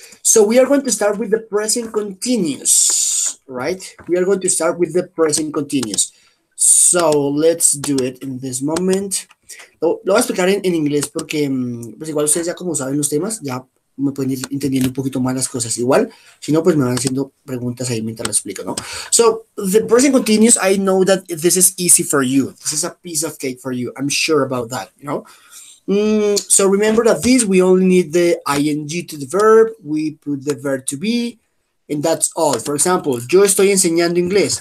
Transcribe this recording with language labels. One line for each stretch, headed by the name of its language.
English: So we are going to start with the present continuous, right? We are going to start with the present continuous. So let's do it in this moment.
Spanish: Lo voy a explicar en inglés porque, pues igual ustedes ya como saben los temas, ya me pueden ir entendiendo un poquito más las cosas. Igual, si no, pues me van haciendo preguntas ahí mientras lo explico, ¿no?
English: So, the present continuous, I know that this is easy for you. This is a piece of cake for you. I'm sure about that, you know? So, remember that this, we only need the ing to the verb. We put the verb to be, and that's all. For example,
Spanish: yo estoy enseñando inglés.